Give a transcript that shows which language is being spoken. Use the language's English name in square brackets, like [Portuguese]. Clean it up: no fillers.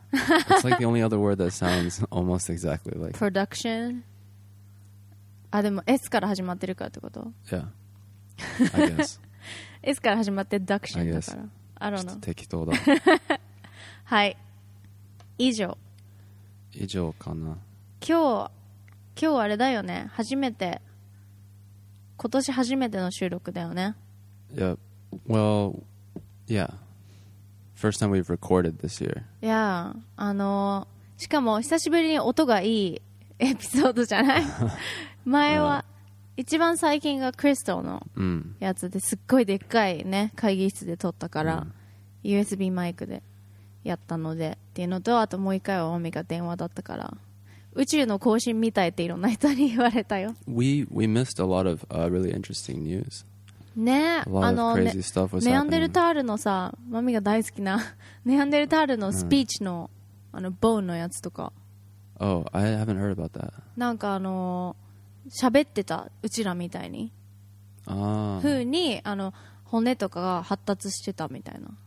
[English] It's like the only other word that sounds almost exactly like... Production? [Japanese] あ、でも S から始まってるからってこと? [English] Yeah. I guess. [Japanese] S から始まって Duction だから。 [English] I don't know. [Japanese] 適当だ。はい。以上。以上かな。今日あれだよね。初めて。今年初めての収録だよね。 [English] Yeah. Well, yeah. First time we've recorded this year. Yeah. [Japanese] しかも久しぶりに音がいいエピソードじゃない前は、yeah. 一番最近がクリストルのやつで、すっごいでっかいね、会議室で撮ったから、うん、USB マイクでやったのでっていうのと、あともう一回はオミが電話だったから、宇宙の更新みたいっていろんな人に言われたよ。 [English] We missed a lot of、really interesting news [Japanese] ね、あの、ネアンデルタールのさ、マミが大好きなネアンデルタールのスピーチの、あのボーンのやつとか。 [English] Oh, I haven't heard about that. [Japanese] なんか喋ってたうちらみたいに、風に骨とかが発達してたみたいな。